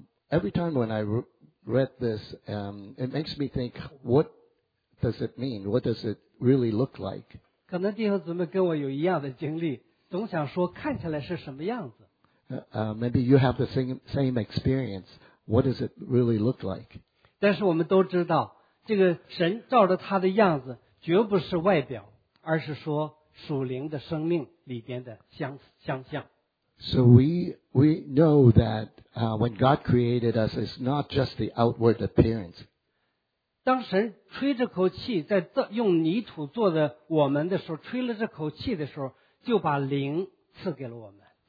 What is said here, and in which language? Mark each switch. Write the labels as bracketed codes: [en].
[en] Every time when I read this, it makes me think, what does it mean? What does it really look like? [zh] 可能弟兄姊妹跟我有一样的经历，总想说看起来是什么样子。 [en] Maybe you have the same experience. What does it really look like? [zh] 但是我们都知道，这个神照着他的样子，绝不是外表，而是说属灵的生命里边的相像。 [en] So we know that when God created us, it's not just the outward appearance. [zh] 当神吹这口气，在用泥土做的我们的时候，吹了这口气的时候，就把灵赐给了我们。